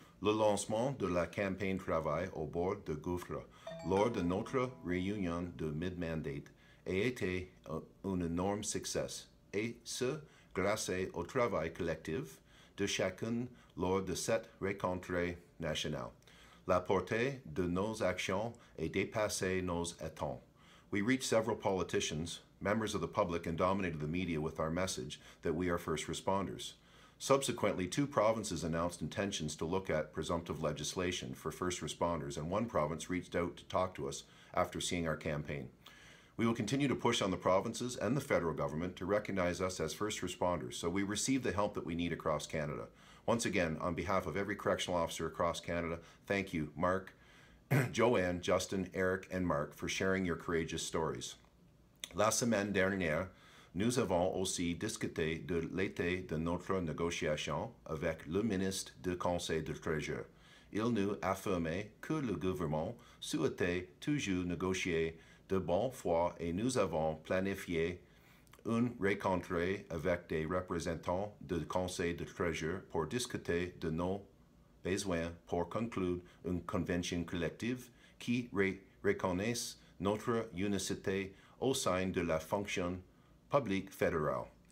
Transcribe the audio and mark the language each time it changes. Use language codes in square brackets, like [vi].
[fr] Le lancement de la campagne travail au bord de gouffre lors de notre réunion de mid-mandate a été un énorme succès, et ce, grâce au travail collectif de chacun lors de cette rencontre nationale. La portée de nos actions a dépassé nos attentes. [en] We reached several politicians, members of the public, and dominated the media with our message that we are first responders. Subsequently, two provinces announced intentions to look at presumptive legislation for first responders, and one province reached out to talk to us after seeing our campaign. We will continue to push on the provinces and the federal government to recognize us as first responders so we receive the help that we need across Canada. Once again, on behalf of every correctional officer across Canada, thank you, Mark, Joanne, Justin, Eric, and Mark, for sharing your courageous stories. [fr] La semaine dernière, nous avons aussi discuté de l'été de notre négociation avec le ministre du Conseil du Trésor. Il nous affirmait que le gouvernement souhaitait toujours négocier de bonne foi et nous avons planifié une rencontre avec des représentants du Conseil du Trésor pour discuter de nos besoins pour conclure une convention collective qui reconnaisse notre unicité au sein de la fonction public fédéral.